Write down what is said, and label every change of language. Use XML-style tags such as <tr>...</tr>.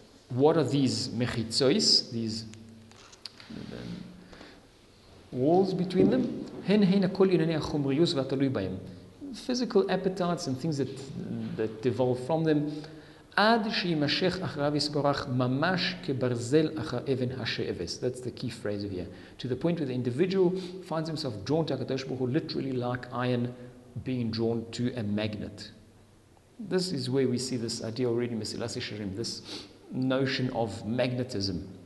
<en>What are these mechitzois, these walls between them?</en> <he>הן הן הכל ענייני החומריות והתלוי בהם.</he> <en>Physical appetites and things that devolve from them.</en> <he>עד שימשך אחריו יסבורך ממש כברזל אחר אבן השאבס.</he> <en>That's the key phrase here. To the point where the individual finds himself drawn to HaKadosh Baruch Hu literally like iron being drawn to a magnet. This is where we see this idea already in Mesilas Yesharim, this notion of magnetism.</en>